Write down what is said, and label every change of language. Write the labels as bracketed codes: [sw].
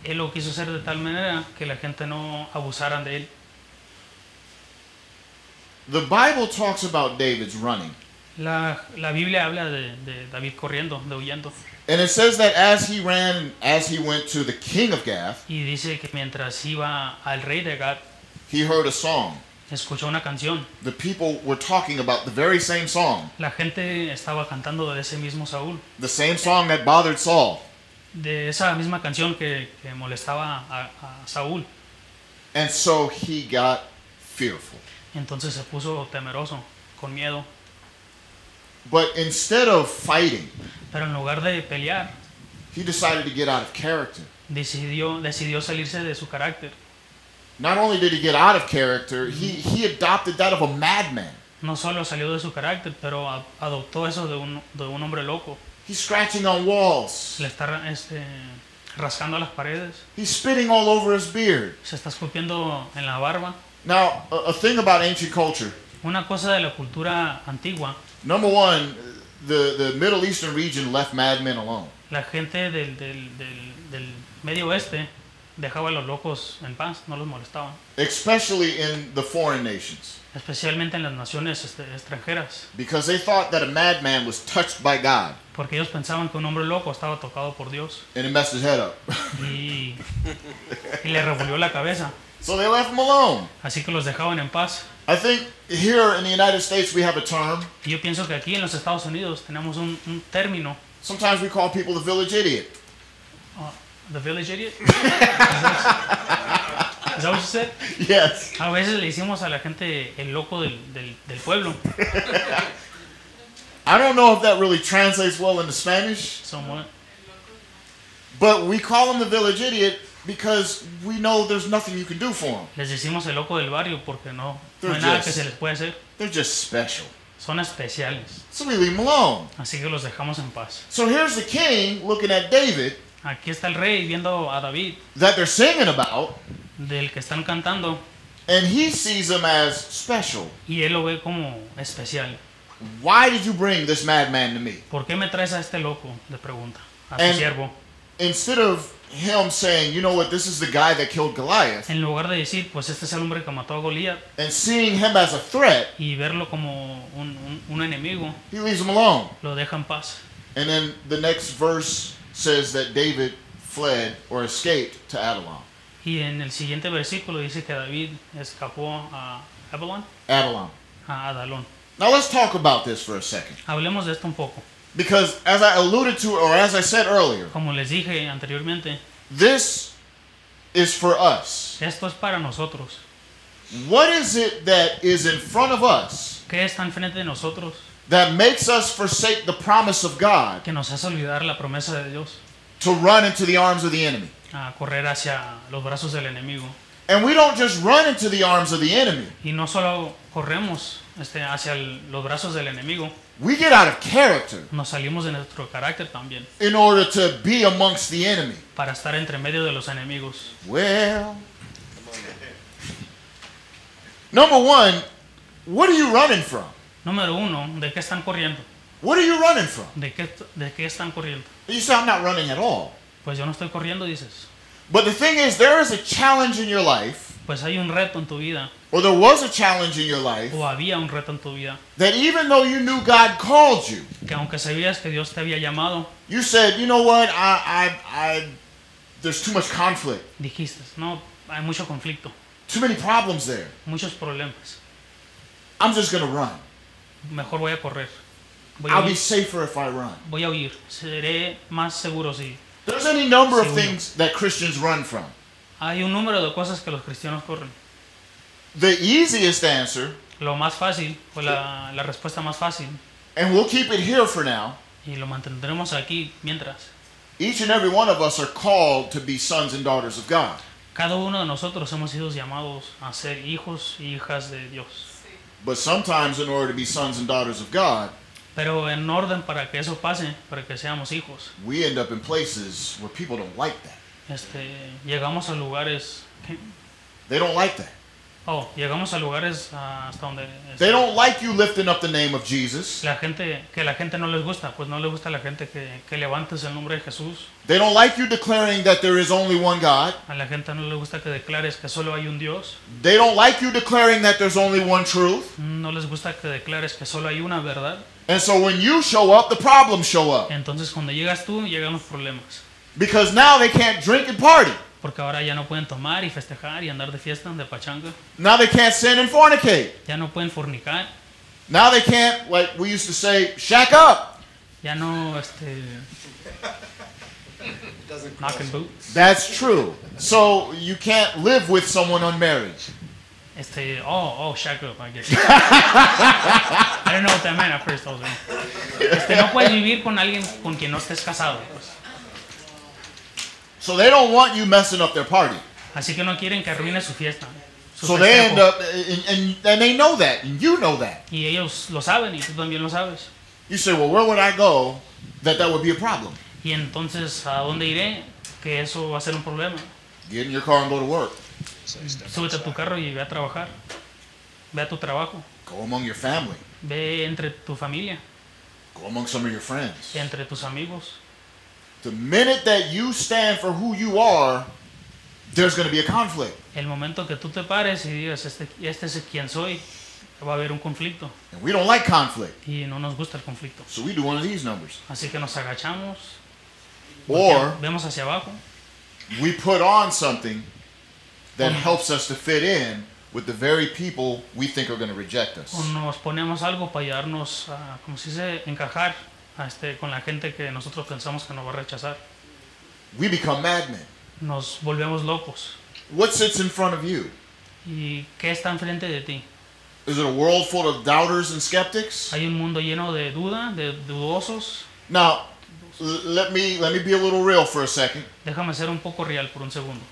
[es] Él lo quiso hacer de tal manera que la gente no abusaran de él. [en] The Bible talks about David's running. [es] La Biblia habla de David corriendo, de huyendo. [en] And it says that as he ran, as he went to the king of Gath, [es] y dice que mientras iba al rey de Gath, [en] he heard a song. [es] Escuchó una canción. [en] The people were talking about the very same song. [es] La gente estaba cantando de ese mismo Saúl. [en] The same song that bothered Saul. [es] De esa misma canción que molestaba a Saúl. [en] And so he got fearful. [es] Entonces se puso temeroso, con miedo. [en] But instead of fighting, [es] pero en lugar de pelear, [en] he decided to get out of character. [es] Decidió salirse de su carácter. [en] Not only did he get out of character, he adopted that of a madman. [es] No solo salió de su carácter, pero adoptó eso de un hombre loco. [en] He's scratching on walls. [es] Le está rascando las paredes. [en] He's spitting all over his beard. [es] Se está escupiendo en la barba. [en] Now, a thing about ancient culture. [es] Una cosa de la cultura antigua. [en] Number one, the Middle Eastern region left madmen alone. [es] La gente del Medio Oeste dejaba a los locos en paz, no los molestaban. [en] Especially in the foreign nations. [es] Especialmente en las naciones extranjeras. [en] Because they thought that a madman was touched by God. [es] Porque ellos pensaban que un hombre loco estaba tocado por Dios. [en] And it messed his head up. [es] y le revolvió la cabeza. [en] So they left him alone. [es] Así que los dejaban en paz. [en] I think here in the United States we have a term. [es] Yo pienso que aquí en los Estados Unidos tenemos un término. [en] Sometimes we call people the village idiot. The village idiot? Is that what you said? Yes. [es] A veces le decimos a la gente el loco del pueblo. [en] I don't know if that really translates well into Spanish. Somewhat. But we call him the village idiot because we know there's nothing you can do for him. [es] Les decimos el loco del barrio porque no hay nada que se les puede hacer. [en] They're just special. [es] Son especiales. [en] So we leave them alone. [es] Así que los dejamos en paz. [en] So here's the king looking at David. [es] Aquí está el rey viendo a David. [en] That they're singing about. [es] Del que están cantando. [en] And he sees him as special. [es] Y él lo ve como especial. [en] Why did you bring this madman to me? [es] ¿Por qué me traes a este loco? Le pregunta a su siervo. [en] Instead of him saying, you know what, this is the guy that killed Goliath. [es] En lugar de decir, pues este es el hombre que mató a Goliath. [en] And seeing him as a threat. [es] Y verlo como un enemigo. [en] He leaves him alone. [es] Lo deja en paz. [en] And then the next verse says that David fled or escaped to Adullam. [es] Y en el siguiente versículo dice que David escapó a Adullam. [en] Adullam. [es] A Adullam. [en] Now let's talk about this for a second. [es] Hablemos de esto un poco. [en] Because as I alluded to, or as I said earlier, [es] como les dije anteriormente, [en] this is for us. [es] Esto es para nosotros. [en] What is it that is in front of us? [es] ¿Qué está enfrente de nosotros? [en] That makes us forsake the promise of God. [es] Que nos hace olvidar la promesa de Dios. [en] To run into the arms of the enemy. [es] A correr hacia los brazos del enemigo. [en] And we don't just run into the arms of the enemy. [es] Y no solo corremos hacia los brazos del enemigo. [en] We get out of character. [es] Nos salimos de nuestro carácter también. [en] In order to be amongst the enemy. [es] Para estar entre medio de los enemigos. [en] Well. Number one, what are you running from? [es] Número uno, ¿de qué están corriendo? [en] What are you running from? [es] ¿De qué están corriendo? [en] You say, I'm not running at all. [es] Pues yo no estoy corriendo, dices. [en] But the thing is, there is a challenge in your life. [es] Pues hay un reto en tu vida. [en] Or there was a challenge in your life. [es] O había un reto en tu vida. [en] That even though you knew God called you. [es] Que aunque sabías que Dios te había llamado. [en] You said, you know what, I there's too much conflict. [es] Dijiste, no, hay mucho conflicto. [en] Too many problems there. [es] Muchos problemas. [en] I'm just going to run. [es] Mejor voy a correr. [en] I'll be safer if I run. [es] Voy a huir. Seré más seguro si. [en] There's any number of things that Christians run from. [es] Hay un número de cosas que los cristianos corren. [en] The easiest answer. [es] Lo más fácil, o la respuesta más fácil. [en] And we'll keep it here for now. [es] Y lo mantendremos aquí mientras. [en] Each and every one of us are called to be sons and daughters of God. [es] Cada uno de nosotros hemos sido llamados a ser hijos e hijas de Dios. [en] But sometimes in order to be sons and daughters of God, [es] pero en orden para que eso pase, para que seamos hijos, [en] we end up in places where people don't like that. [es] Llegamos a lugares que [en] they don't like that. [es] Oh, llegamos a lugares hasta donde. [en] They don't like you lifting up the name of Jesus. [es] La gente que la gente no les gusta, pues no les gusta la gente que levantes el nombre de Jesús. [en] They don't like you declaring that there is only one God. [es] A la gente no le gusta que declares que solo hay un Dios. [en] They don't like you declaring that there's only one truth. [es] No les gusta que declares que solo hay una verdad. [en] And so when you show up, the problems show up. [es] Entonces cuando llegas tú, llegan los problemas. [en] Because now they can't drink and party. [es] Porque ahora ya no pueden tomar y festejar y andar de fiesta, de pachanga. [en] Now they can't sin and fornicate. [es] Ya no pueden fornicar. [en] Now they can't, like we used to say, shack up. [es] Ya no, este... [en] Knocking boots. That's true. So you can't live with someone unmarried. Este, oh, shack up, I guess. I don't know what that meant at first. Also. [es] Este, no puedes vivir con alguien con quien no estés casado, pues. [en] So they don't want you messing up their party. [es] Así que no quieren que arruine su fiesta. [en] So they end up, and they know that, and you know that. [es] Y ellos lo saben, y tú también lo sabes. [en] You say, well, where would I go that would be a problem? [es] Y entonces, ¿a dónde iré que eso va a ser un problema? [en] Get in your car and go to work. [es] Súbete a tu carro y ve a trabajar. Ve a tu trabajo. [en] Go among your family. [es] Ve entre tu familia. [en] Go among some of your friends. [es] Entre tus amigos. [en] The minute that you stand for who you are, there's going to be a conflict. [es] El momento que tú te pares y digas este es quien soy, va a haber un conflicto. [en] And we don't like conflict. [es] Y no nos gusta el conflicto. [en] So we do one of these numbers. [es] Así que nos agachamos. [en] Or [es] vemos hacia abajo. [en] We put on something that helps us to fit in with the very people we think are going to reject us. [es] O nos ponemos algo para ayudarnos a, como se dice, encajar. Este, con la gente que nosotros pensamos que nos va a rechazar. [en] We become madmen. [es] Nos volvemos locos. [en] What sits in front of you? [es] ¿Y qué está enfrente de ti? [en] Is it a world full of doubters and skeptics? [es] Hay un mundo lleno de duda, de dudosos. [en] Now, let me be a little real for a second. [es] Déjame ser un poco real por un segundo.